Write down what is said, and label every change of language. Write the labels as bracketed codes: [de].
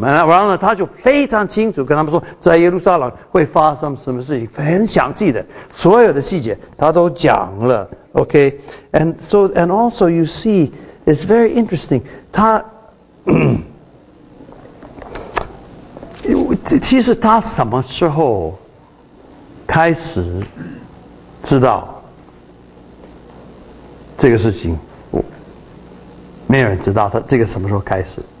[zh] 然后呢，他就非常清楚跟他们说，在耶路撒冷会发生什么事情，很详细的，所有的细节他都讲了。 [en] Okay, and so, and also you see, it's very interesting. [zh] 他其实他什么时候开始知道这个事情，没有人知道他这个什么时候开始。